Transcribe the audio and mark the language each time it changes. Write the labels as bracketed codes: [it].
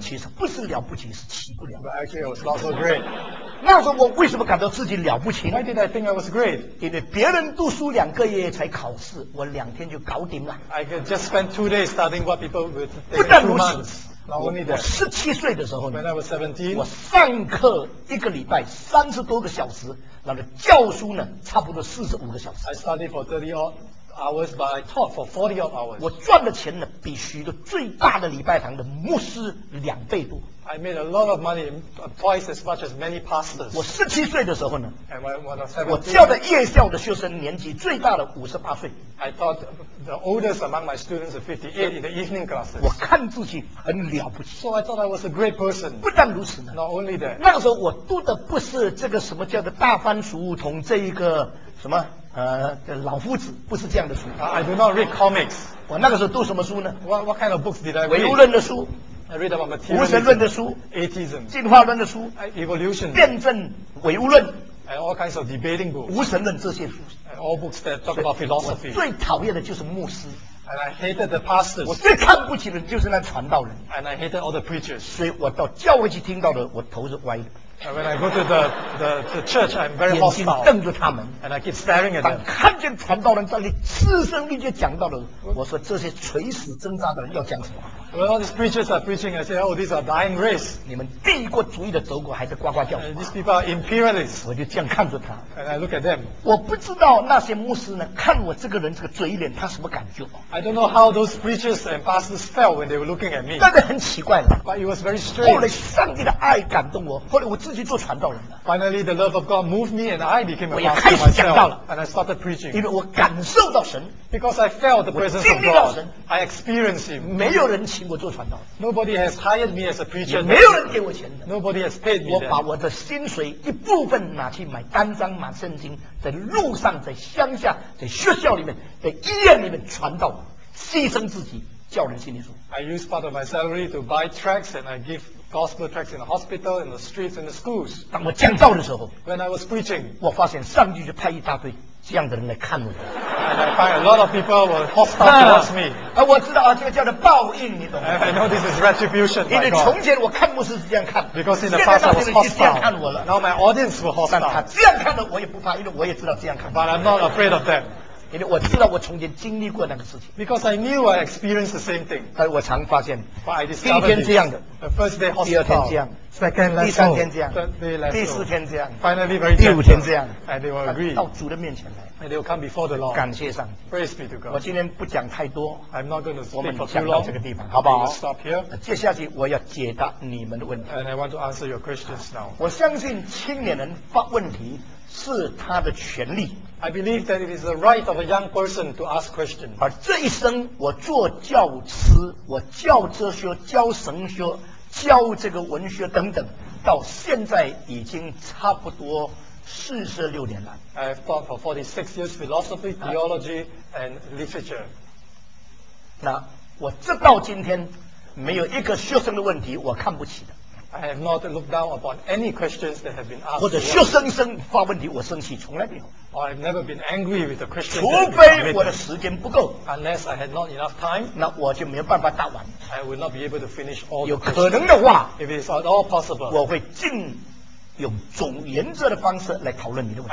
[zh] 其实不是了不起，是起不了。 [en] But actually, I was not so great. [zh] 那时候我为什么感到自己了不起 [en] ？Why did I think I was great? [zh] 因为别人读书两个月才考试，我两天就搞定了。 [en] I could just spend 2 days studying what people would take 2 months. [zh] 不但如此，我17岁的时候 [en] ，When I was 17, [zh] 我上课一个礼拜30多个小时。那个教书呢，差不多45个小时。 [en] I studied for 30 hours, but I taught for 40 hours. [zh] 我赚的钱呢，比许多最大的礼拜堂的牧师2倍多。 [en] I made a lot of money, twice as much as many pastors. [zh] 我17岁的时候呢 [en] ，and when I was 17, [zh] 我教的夜校的学生年纪最大的58岁。 [en] I taught the oldest among my students of 58 in the evening classes. [zh] 我看自己很了不起。 [en] So I thought I was a great person. [zh] 不但如此呢 [en] ，Not only that. [zh] 那个时候我读的不是这个什么叫做大番薯同这一个什么。老夫子不是这样的书。 [en] I do not read comics. [zh] 我那个时候读什么书呢 [en] ？What kind of books did I read? [zh] 唯物论的书 [en] ，I read about materialism. [zh] 无神论的书 [en] ，Atheism. [zh] 进化论的书 [en] ，Evolution. [zh] 辩证唯物论 [en] ，and all kinds of debating books. [zh] 无神论这些书 [en] ，and all books that talk about philosophy. [zh] 最讨厌的就是牧师 [en] ，and I hated the pastors. [zh] 我最看不起的就是那传道人 [en] ，and I hated all the preachers. [zh] 所以我到教会去听到的，我头是歪的。 [en] When I go to the church, I'm very hostile. [zh] 眼睛瞪着他们 [en] ，and I keep staring at them. [zh] 当看见传道人在那里嘶声力竭讲道的时候，我说这些垂死挣扎的人要讲什么 [en] ？When all these preachers are preaching, I say, oh, these are dying race. [zh] 你们帝国主义的德国还是呱呱叫 [en] ？And these people are imperialists. [zh] 我就这样看着他 [en] ，and I look at them. [zh] 我不知道那些牧师呢，看我这个人这个嘴脸，他什么感觉 [en] ？I don't know how those preachers and pastors felt when they were looking at me. [zh] 但是很奇怪 [en] ，but it was very strange. [zh] 后来上帝的爱感动我，后来我自己做传道人的。 [en] Finally, the love of God moved me, and I became a pastor myself. [zh] 我也开始讲道了 [en] ，and I started preaching. [zh] 因为我感受到神 [en] ，because I felt the presence of God. I experienced Him. [zh] 没有人请我做传道。 [en] Nobody has hired me as a preacher. [zh] 没有人给我钱的。 [en] Nobody has paid me. [zh] 我把我的薪水一部分拿去买单张、买圣经，在路上、在乡下、在学校里面、在医院里面传道，牺牲自己，叫人信耶稣。 [en] I use part of my salary to buy tracts, and I give. Gospel tracts in the hospital, in the streets, in the schools. [zh] 当我讲道的时候 [en] ，When I was preaching, [zh] 我发现上帝就派一大堆这样的人来看我。 [en] And I find a lot of people were hostile towards me. [zh] 我知道啊，这个叫做报应，你懂吗 [en] ？I know this is retribution. [zh] 因为从前我看牧师是这样看 [en] ，Because in the past I was hostile. [zh] 现在他们就这样看我了。 [en] Now my audience were hostile. [zh] 但他这样看的我也不怕，因为我也知道这样看。 [en] But I'm not afraid of them. [zh] 因为我知道我从前经历过那个事情 [en] ，because I knew I experienced the same thing。 [zh] 但我常发现 [en] ，but I discovered [zh] 第一天这样的 [en] ，the first day hospital， [zh] 第二天这样 [en] ，second level， [zh] 第三天这样 [en] ，third day level， [zh] 第四天这样 [en] ，finally very gentle， [zh] 第五天这样 [en] ，and they will agree [zh] 到主的面前来 [en] ，and they will come before the Lord。 [zh] 感谢上帝 [en] ，praise be to God。 [zh] 我今天不讲太多 [en] ，I'm not going to speak for too long。 [zh] 我们讲到这个地方，好不好 [en] ？Stop here。 [zh] 接下去我要解答你们的问题 [en] ，and I want to answer your questions now。 [zh] 我相信青年人发问题是他的权利。 [en] I believe that it is the right of a young person to ask questions. [zh] 而这一生，我做教师，我教哲学、教神学、教这个文学等等，到现在已经差不多46年了。 [en] I have taught for 46 years philosophy, theology, and literature. [zh] 那我直到今天，没有一个学生的问题我看不起的。 [en] I have not looked down upon any questions that have been asked. [zh] 或者学生生发问题，我生气，从来没有。 [en] Or I've never been angry with the Christian. [zh] 除非我的时间不够。 [en] Unless I had not enough time. [zh] 那我就没有办法答完。 [en] I will not be able to finish all. [zh] 有可能的话 [en] ，If it's at all possible, [zh] 我会尽用总原则的方式来讨论你的问题。